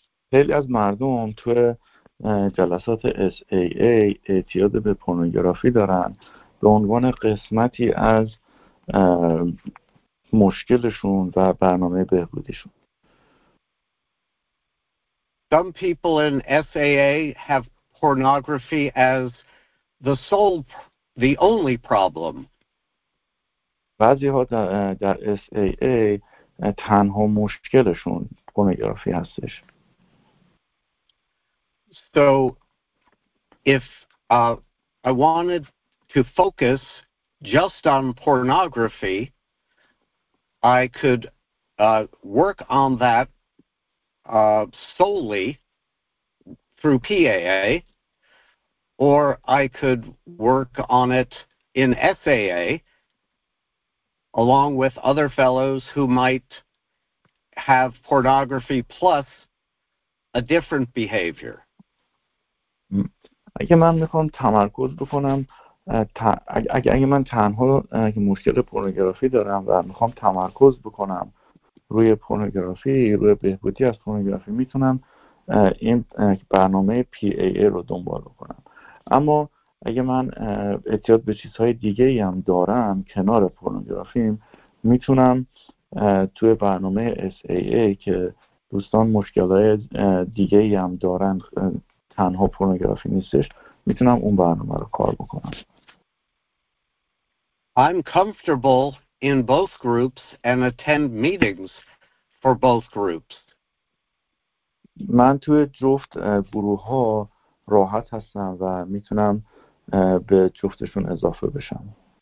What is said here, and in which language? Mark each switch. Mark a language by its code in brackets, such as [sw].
[fa] خیلی از مردم تو جلسات SAA اعتیاد به پورنوگرافی دارن به عنوان قسمتی از مشکلشون و برنامه بهبودیشون. [en] Some people in SAA have pornography as the only problem. [fa] بعضی ها در SAA تنها مشکلشون پورنوگرافی هستش. [en] So if I wanted to focus just on pornography, I could work on that solely through PAA, or I could work on it in SAA along with other fellows who might have pornography plus a different behavior. [fa] اگه من میخوام تمرکز بکنم اگه من تنها مشکل پورنوگرافی دارم و میخوام تمرکز بکنم روی پورنوگرافی روی بهبودی از پورنوگرافی میتونم این برنامه PAA رو دنبال بکنم اما اگه من احتیاج به چیزهای دیگه هم دارم کنار پورنوگرافی میتونم توی برنامه SAA که دوستان مشکلهای دیگه هم دارن تنها پورنوگرافی نیستش میتونم اون برنامه رو کار بکنم. [en] I'm comfortable in both groups and attend meetings for both groups. [fa] من توی جفت گروه ها راحت هستم و میتونم به جفتشون اضافه بشم.